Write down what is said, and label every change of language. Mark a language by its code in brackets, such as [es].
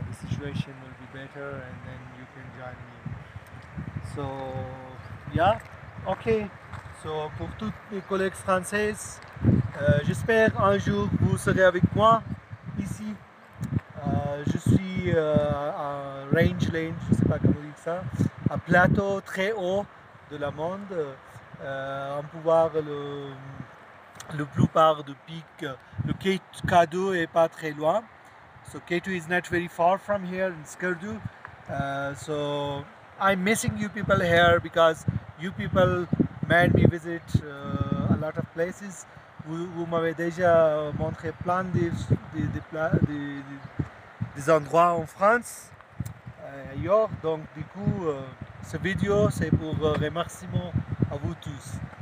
[en] Situation will be better, and then you can join me. So yeah, okay. [fr] So pour tous mes collègues français, j'espère un jour vous serez avec moi ici. Je suis un rangeland, je sais pas comment dire ça, un plateau très haut de la monde. On peut voir le plupart du pic. Le K2 est pas très loin. [en] So K2 is not very far from here in Skardu. So I'm missing you people here, because you people made me visit a lot of places. [fr] Vous m'avez déjà montré plein des endroits en France, ailleurs. Donc du coup, ce vidéo c'est pour remerciement à vous tous.